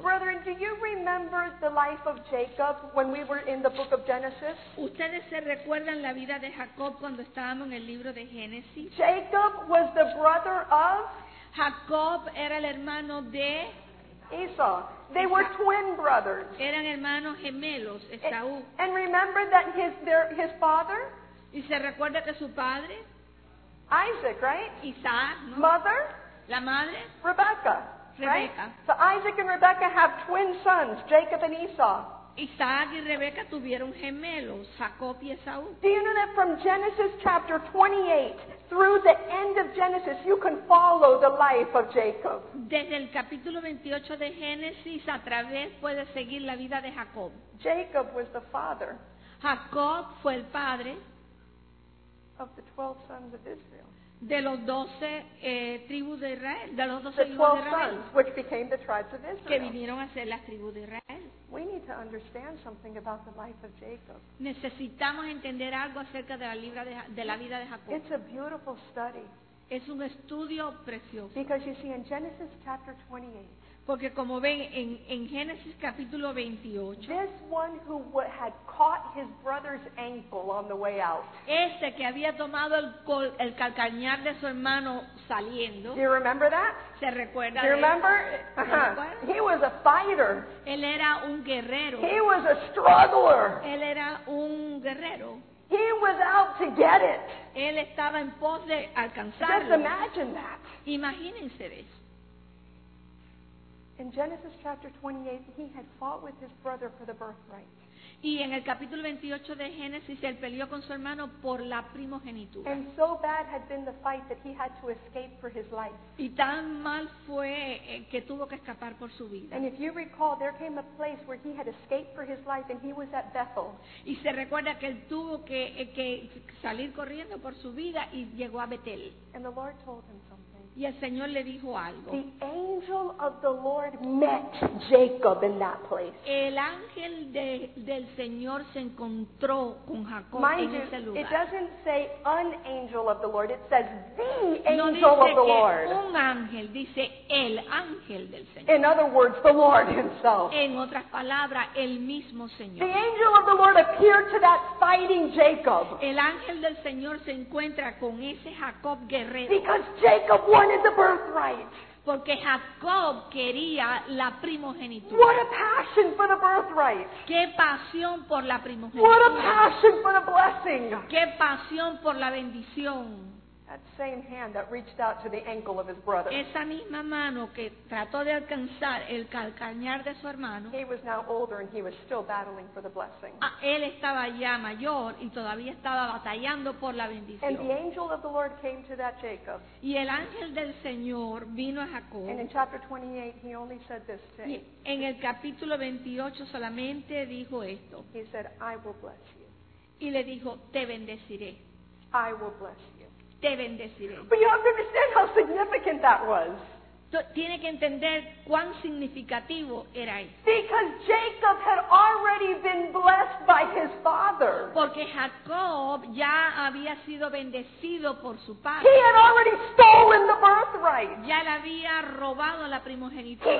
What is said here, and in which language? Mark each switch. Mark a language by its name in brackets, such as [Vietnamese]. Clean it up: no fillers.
[English] Brethren, do you remember the life of Jacob when we were in the book of Genesis? [Spanish] ¿Ustedes se recuerdan la vida de Jacob cuando estábamos en el libro de Génesis? [English] Jacob was the brother of [Spanish] Jacob era el hermano de [English] Esau. They were twin brothers. [Spanish] Eran hermanos gemelos, Esaú. [English] And remember that his father? [Spanish] ¿Y se recuerda que su padre? [English] Isaac, right? [Spanish] Isaac, ¿no? [English] Mother? [Spanish] La madre? [English] Rebecca. [Spanish] Rebecca. [English] Right? So Isaac and Rebecca have twin sons, Jacob and Esau. [Spanish] Isaac y Rebeca tuvieron gemelos, Jacob y Esaú. [English] Do you know that from Genesis chapter 28 through the end of Genesis, you can follow the life of Jacob? [Spanish] Desde el capítulo 28 de Génesis a través puedes seguir la vida de Jacob. [English] Jacob was the father. [Spanish] Jacob fue el padre [English] of the 12 sons of Israel. [Spanish] De los 12 tribus de Israel, de los 12 [English] the 12 [Spanish] hijos de Israel, [English] sons, which became the tribes of Israel. [Spanish] Que vinieron a ser las tribus de Israel. [English] We need to understand something about the life of Jacob. [Spanish] Necesitamos entender algo acerca de la vida de Jacob. [English] It's a beautiful study. [Spanish] Es un estudio precioso. [English] Because you see in Genesis chapter 28. [Spanish] Porque como ven en Génesis capítulo 28. [English] This one who had caught his brother's ankle on the way out. [Spanish] Este que había tomado el calcañar de su hermano saliendo. [English] Do you remember that? [Spanish] ¿Se recuerda? [English] Do you remember? He was a fighter. [Spanish] Él era un guerrero. [English] He was a struggler. [Spanish] Él era un guerrero. [English] He was out to get it. [Spanish] Él estaba en pos de alcanzarlo. [English] Just imagine that. [Spanish] Imagínense eso. [English] In Genesis chapter 28, he had fought with his brother for the birthright. [Spanish] Y en el capítulo 28 de Génesis, él peleó con su hermano por la primogenitura. [English] And so bad had been the fight that he had to escape for his life. [Spanish] Y tan mal fue que tuvo que escapar por su vida. [English] And if you recall, there came a place where he had escaped for his life, and he was at Bethel. [Spanish] Y se recuerda que él tuvo que salir corriendo por su vida y llegó a Betel. [English] And the Lord told him something. [Spanish] Y el Señor le dijo algo. [English] The angel of the Lord met Jacob in that place. [Spanish] El ángel del Señor se encontró con Jacob [English] Mind [Spanish] en ese lugar. [English] It doesn't say an angel of the Lord. It says the angel [Spanish] no dice [English] of the [Spanish] que [English] Lord. [Spanish] Un ángel, dice el ángel del Señor. [English] In other words, the Lord himself. [Spanish] En otras palabras, el mismo Señor. [English] The angel of the Lord appeared to that fighting Jacob. [Spanish] El ángel del Señor se encuentra con ese Jacob guerrero. [English] Because Jacob wanted the birthright. [Spanish] Porque Jacob quería la primogenitura. [English] What a passion for the birthright. [Spanish] Qué pasión por la primogenitura. [English] What a passion for the blessing. [Spanish] Qué pasión por la bendición. [English] That same hand that reached out to the ankle of his brother. [Spanish] Esa misma mano que trató de alcanzar el calcañar de su hermano. [English] He was now older and he was still battling for the blessing. [Spanish] Él estaba ya mayor y todavía estaba batallando por la bendición. [English] And the angel of the Lord came to that Jacob. [Spanish] Y el ángel del Señor vino a Jacob. [English] And in chapter 28 he only said this to him. [Spanish] En el capítulo 28 solamente dijo esto. [English] He said, I will bless you. [Spanish] Y le dijo, te bendeciré. [English] I will bless you. [Spanish] Te bendeciré. [English] But you have to understand how significant that was. [Spanish] Tiene que entender cuán significativo era eso. [English] Because Jacob had already been blessed by his father. [Spanish] Porque Jacob ya había sido bendecido por su padre. [English] He had already stolen the birthright. [Spanish] Ya le había robado la primogenitura.